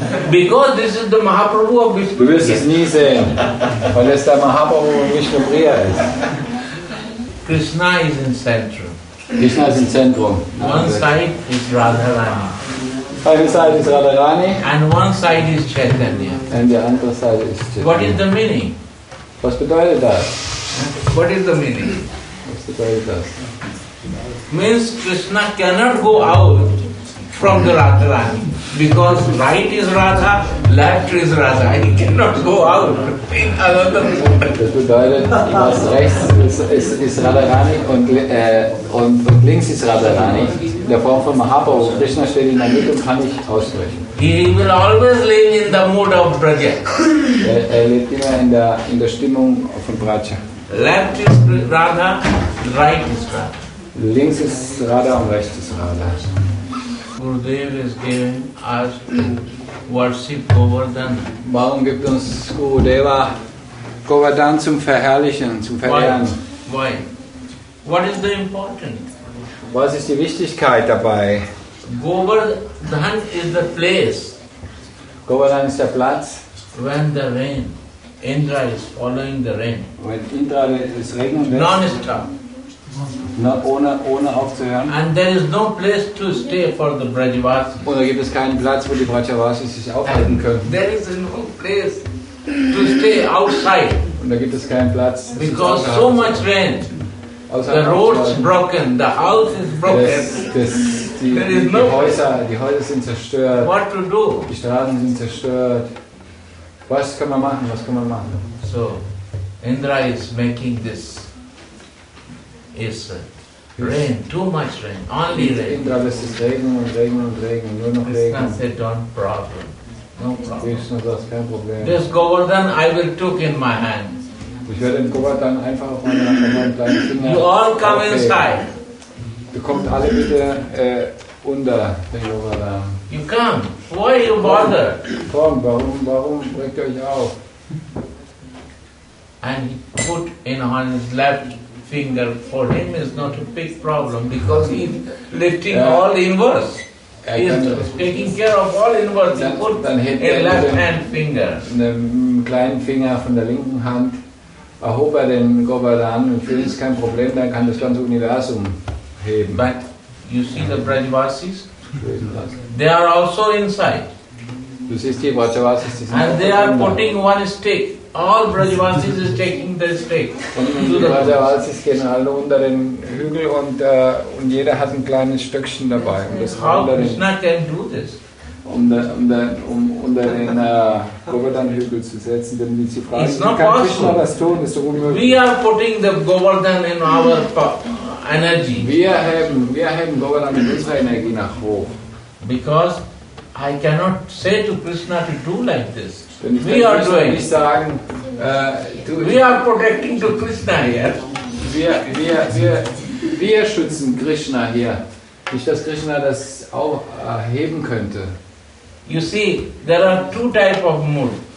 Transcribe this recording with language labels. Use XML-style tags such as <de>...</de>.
<en>Because this is the Mahaprabhu of Vishnu.</en> <de>Du wirst es nie sehen, weil es der Mahaprabhu</de> <en>of</en> <de>Vishnu Priya ist.</de> <en>Krishna is in</en> <de>Zentrum.</de> <en>Krishna is in</en> <de>Zentrum.</de> <en>One side is Radharani.</en> <de>Eine Seite ist Radharani.</de> <en>And one side is Chaitanya. And the other side is Chaitanya. What is the meaning?</en> <de>Was bedeutet das?</de> <en>What is the meaning? Means Krishna cannot go out from the Radharani because right is Radha, left is Radha. He cannot go out in another moment.</en> <de>Das bedeutet, was rechts ist Radharani und links ist Radharani. In der Form von Mahaprabhu, Krishna steht in der Mitte und kann nicht ausbrechen.</de> <en>He will always live in the mood of Braja.</en> <de>Er lebt immer in der Stimmung von Braja.</de> <en>Left is Radha, right is Radha.</en> <de>Links is Radha und rechts is Radha.</de> <en>Gurudev is giving us to worship Govardhana.</en> <de>Warum gibt uns Gurudeva Govardhan zum Verherrlichen, zum Verehren?</de> <en>Why? What is the importance?</en> <de>Was ist die Wichtigkeit dabei?</de> <en>Govardhan is the place.</en> <de>Govardhan ist der Platz.</de> <en>When the rain. Indra is following the rain.</en> <de>Wenn Indra es regnet,</de> <en>non-stop.</en> <de>Ohne aufzuhören.</de> <en>And there is no place to stay for the Brajavasis.</en> <de>Oder gibt es keinen Platz, wo die Brajavasis sich aufhalten können?</de> <en>There is no place to stay outside.</en> <de>Und da gibt es keinen Platz.</de> <en>Because so much rain, the roads broken, the house is broken.</en> <de>Die Häuser sind zerstört.</de> <en>What to do?</en> <de>Die Straßen sind zerstört. Was kann man machen?</de> <en>So, Indra is making this is rain, too much rain, only rain.</en> <de>Indra lässt es regnen und regnen und regnen, nur noch Krishna regnen.</de> <en>Krishna said, don't problem. No problem.</en> <de>Krishna sagt, kein Problem.</de> <en>This Govardhan I will took in my hands.</en> <de>Ich werde den Govardhan einfach auf meine Hand nehmen.</de> <en>You all come inside.</en> <de>Du kommt alle bitte</de> <en>You come. Why you bother?</en> <de>Komm, warum bringt euch auf?</de> <en>And he put in on his left finger. For him is not a big problem because he's lifting all the inverse. He's taking care of all inverse. He put</en> <de>dann</de> <en>a left hand finger.</en> <de>Einen kleinen Finger von der linken Hand. Erhob er den Govardhan und für ihn ist kein Problem, dann kann das ganze Universum heben.</de> <en>But you see the Brajavasis? They are also inside.</en> <de>Du siehst die Brajavasis, die sind</de> <en>and they are putting one stick. All Brajavasis is taking the stick.</en> <de>Und die Brajavasis gehen alle unter den Hügel und jeder hat ein kleines Stückchen dabei. Und das</de> <en>how Krishna can do this?</en> <de>Unter den Govardhan-Hügel zu setzen, denn wenn sie fragen, wie kann Krishna das tun, ist doch unmöglich.</de> <en>We are putting the Govardhan in our energy.</en> <de>Wir haben Govardhan in unserer Energie nach hoch.</de> <en>Because I cannot say to Krishna to do like this. We are doing.</en> <de>Nicht sagen,</de> <en>we are protecting to Krishna here.</en> <de>Wir schützen Krishna hier. Nicht, dass Krishna das auch heben könnte.</de> <en>You see, there are two types of mood.</en>